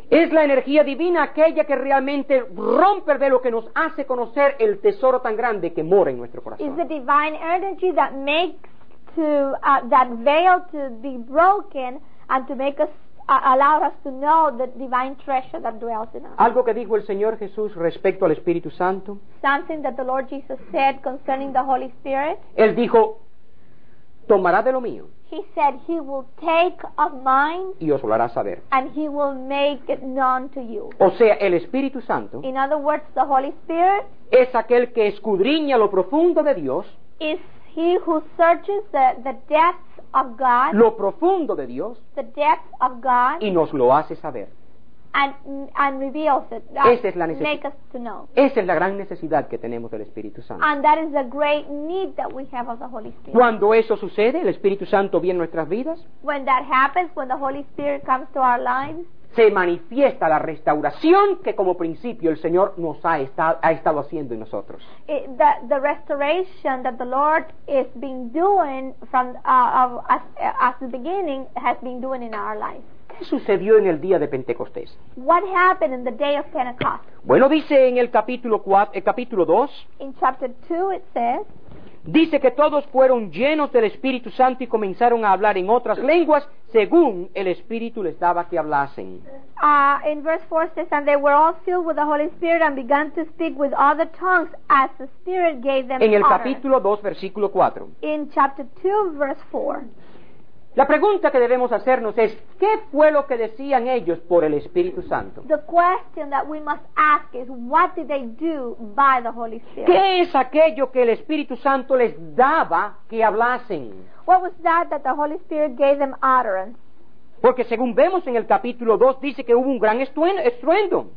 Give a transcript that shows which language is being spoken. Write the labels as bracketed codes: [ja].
[es] Es la energía divina aquella que realmente rompe el velo que nos hace conocer el tesoro tan grande que mora en nuestro corazón. [en] Is the divine energy that makes that veil to be broken and to make us allow us to know the divine treasure that dwells in us. [es] Algo que dijo el Señor Jesús respecto al Espíritu Santo. [en] Something that the Lord Jesus said concerning the Holy Spirit. [es] Él dijo, tomará de lo mío. [en] He said he will take of mine [es] y os lo hará saber. [en] And he will make it known to you. [es] O sea, el Espíritu Santo, [en] in other words, the Holy Spirit, [es] es aquel que escudriña lo profundo de Dios, [en] is he who searches the depths of God, [es] lo profundo de Dios, [en] the depths of God, [es] y nos lo hace saber. [en] And reveals it. Make us to know. [es] Esa es la gran necesidad que tenemos del Espíritu Santo. [en] And that is the great need that we have of the Holy Spirit. [es] Cuando eso sucede, el Espíritu Santo viene a nuestras vidas. [en] When that happens, when the Holy Spirit comes to our lives, [es] se manifiesta la restauración que como principio el Señor nos ha estado haciendo en nosotros. [en] The restoration that the Lord is being doing from as the beginning has been doing in our lives. [es] ¿Qué sucedió en el día de Pentecostés? [en] What happened in the day of Pentecost? [es] Bueno, dice en el capítulo 2, [en] in chapter 2 it says, [es] dice que todos fueron llenos del Espíritu Santo y comenzaron a hablar en otras lenguas según el Espíritu les daba que hablasen. [en] In verse 4 says, and they were all filled with the Holy Spirit and began to speak with other tongues as the Spirit gave them utterance. [es] En el capítulo 2, versículo 4. [en] In chapter 2, verse 4. [es] La pregunta que debemos hacernos es, ¿qué fue lo que decían ellos por el Espíritu Santo? [en] The question that we must ask is, what did they do by the Holy Spirit? [es] ¿Qué es aquello que el Espíritu Santo les daba que hablasen? [en] What was that the Holy Spirit gave them utterance? [es] Porque según vemos en el capítulo 2, dice que hubo un gran estruendo.